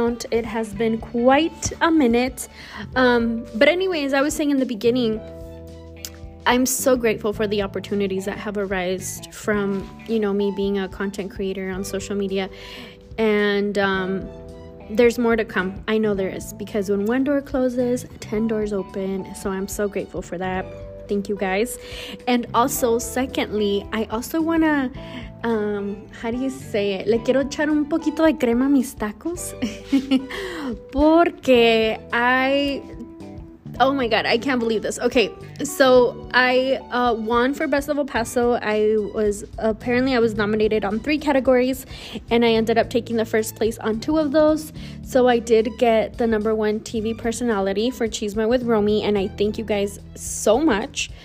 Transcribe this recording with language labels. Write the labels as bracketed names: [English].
[English] It has been quite a minute. But anyway, as I was saying in the beginning, I'm so grateful for the opportunities that have arisen from, you know, me being a content creator on social media. And there's more to come. I know there is, because when one door closes, 10 doors open. So I'm so grateful for that. Thank you guys. And also, secondly, I also wanna how do you say it? [Spanish] Le quiero echar un poquito de crema a mis tacos. [English] Porque oh my god, I can't believe this. Okay, so I won for Best of El Paso. I was nominated on 3 categories, and I ended up taking the first place on 2 of those. So I did get the number 1 TV personality for Chisme with Romy, and I thank you guys so much.